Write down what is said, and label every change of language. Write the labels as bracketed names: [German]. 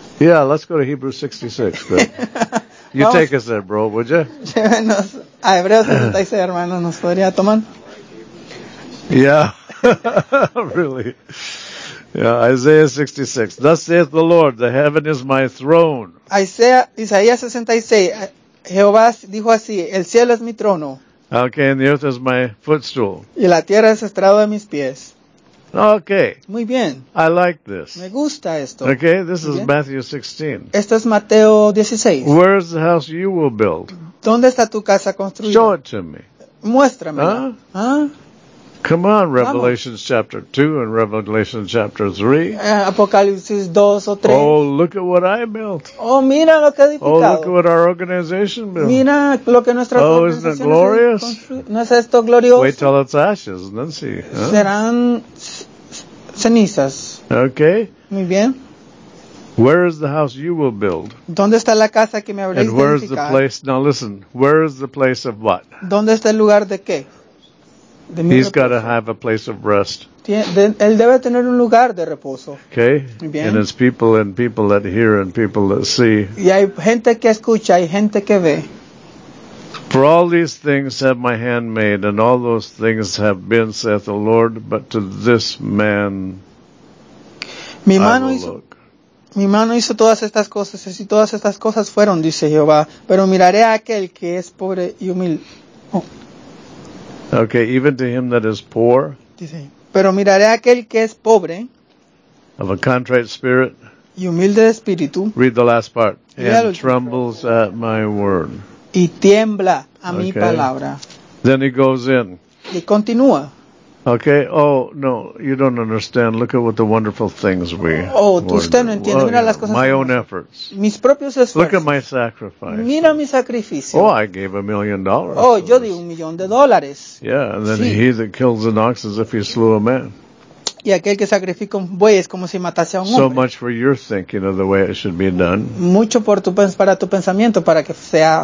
[English] Yeah, let's go to Hebrews 66. you [Spanish] Vamos. [English] Take us there, bro, would you? [Spanish] Llévenos a Hebreos 66, hermano. ¿Nos podría tomar? [English] Yeah, really. Yeah, Isaiah 66. Thus saith the Lord, the heaven is my throne. Isaiah 66. [Spanish] Jehová dijo así, el cielo es mi trono. [English] Okay, and the earth is my footstool. [Spanish] Y la tierra es estrado de mis pies. [English] Okay. [Spanish] Muy bien. [English] I like this. [Spanish] Me gusta esto. [English] Okay, this is Matthew 16. [Spanish] Esto es Mateo 16. [English] Where is the house you will build? [Spanish] ¿Dónde está tu casa construida? [English] Show it to me. [Spanish] Muéstrame. Huh? Huh? [English] Come on, Revelation chapter 2 and Revelation chapter 3. [Spanish] Apocalipsis 2 o 3. [English] Oh, look at what I built. [Spanish] Oh, mira lo que edificado. [English] Oh, look at what our organization built. [Spanish] Mira lo que nuestra [English] oh, isn't it glorious? [Spanish] ¿No es esto glorioso? [English] Wait till it's ashes and then see. Huh? [Spanish] Serán cenizas. [English] Okay. [Spanish] Muy bien. [English] Where is the house you will build? [Spanish] ¿Dónde está la casa que me habréis [English] And where is the place? Now listen. Where is the place of what? [Spanish] ¿Dónde está el lugar de qué? [English] He's got to have a place of rest. [Spanish] Él debe tener un lugar de reposo. [English] Okay. [Spanish] Bien. [English] And it's people and people that hear and people that see. [Spanish] Y hay gente que escucha y gente que ve. [English] For all these things have my hand made, and all those things have been, saith the Lord, but to this man [Spanish] mi mano [English] I will look. [Spanish] Mi mano hizo todas estas cosas, y todas estas cosas fueron, dice Jehová, pero miraré a aquel que es pobre y humilde. [English] Oh. Okay, even to him that is poor. [Spanish] Dice, pero miraré a aquel que es pobre. [English] Of a contrite spirit. [Spanish] Y humilde de espíritu. [English] Read the last part. And trembles at my word. [Spanish] Y tiembla a mi palabra. [English] Then he goes in. [Spanish] Y continúa. [English] Okay, oh, no, you don't understand. Look at what the wonderful things we... [Spanish] Oh, usted no entiende. Mira las cosas. [English] My own efforts. [Spanish] Mis propios esfuerzos. [English] Look at my sacrifice. [Spanish] Mira mi sacrificio. [English] Oh, I gave $1,000,000. [Spanish] Oh, yo di $1,000,000. [English] Yeah, and then he that kills an ox as if he slew a man. [Spanish] Y aquel que sacrifica un buey es como si matase a un hombre. [English] So much for your thinking of the way it should be done. [Spanish] Mucho por tu, para tu pensamiento, para que sea...